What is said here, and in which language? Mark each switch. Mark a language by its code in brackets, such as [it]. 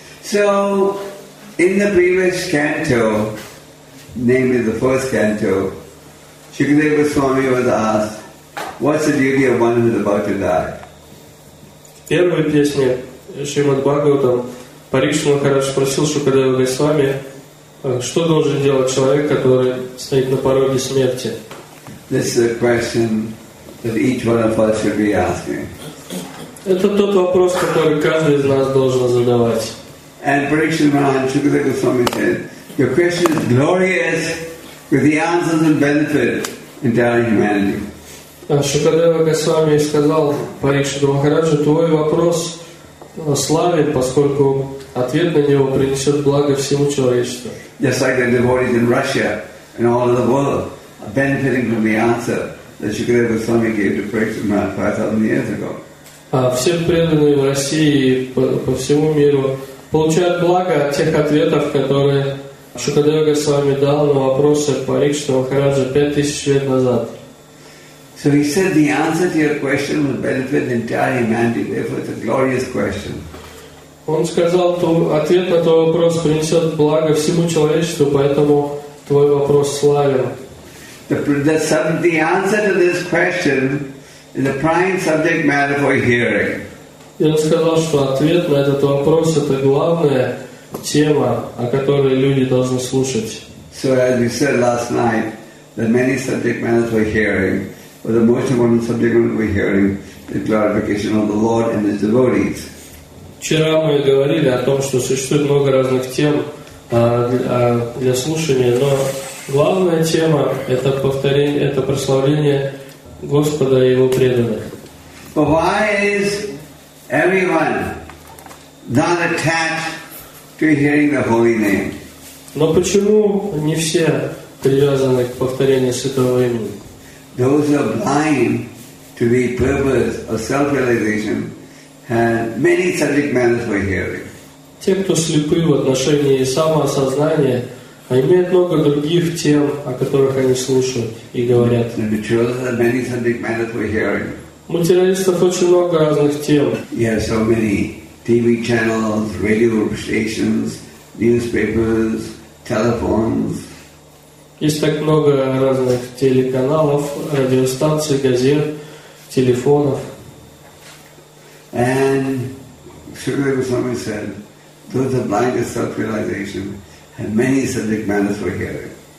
[en] So, in the previous canto, namely the first canto, Shukadeva Goswami was asked, what's the duty of one who is about to die? [ru] В первой песне Шримад Бхагаватам Парикшит Махарадж спросил Шукадева Госвами, что должен делать человек, который стоит на пороге смерти? [en] This is a question that each one of us should be asking. [ru] Это тот вопрос, который каждый из нас должен задавать. [en] And Parikshit Maharaj, Shukadeva Goswami said, your question is glorious with the answers and benefit entire humanity. [ru] Shukadeva Goswami сказал Парикшит Махараджу, твой вопрос славен, поскольку ответ на него принесет благо всему человечеству. [en] Just like the devotees in Russia and all over the world are benefiting from the answer that Shukadeva Goswami gave to Parikshit Maharaj 5,000 years ago. [ru] Все преданные в России и по всему миру получают благо от тех ответов, которые Шукадева Госвами дал на вопросы Парикшита Махараджа 5000 лет назад. [en] So he said the answer to your question will benefit the entire humanity, therefore it's a glorious question. [ru] Он сказал, что ответ на твой вопрос принесет благо всему человечеству, поэтому твой вопрос славен. [en] The answer to this question is the prime subject matter for hearing. [ru] И он сказал, что ответ на этот вопрос — это главная тема, о которой люди должны слушать. [en] So as we said last night, the many subject matters we're hearing, but the most important subject matter we're hearing is glorification of the Lord and His devotees. [ru] Вчера мы говорили о том, что существует много разных тем для слушания, но главная тема — это повторение, это прославление Господа и Его преданных. [en] But why is everyone not attached to hearing the holy name? [ru] Но почему не все привязаны к повторению святого имени? [en] Those who are blind to the purpose of self-realization have many subject matters for hearing. [ru] Те, кто слепы в отношении самоосознания, имеют много других тем, о которых они слушают и говорят. [en] The materialists have many subject matters for hearing. [ru] У материалистов очень много разных тем. [en] Yeah, so many TV channels, radio stations, newspapers, telephones. [ru] Есть так много разных телеканалов, радиостанций, газет, телефонов. [en] And Shukadeva Goswami said, those are blind to self-realization and many subject matters for hearing.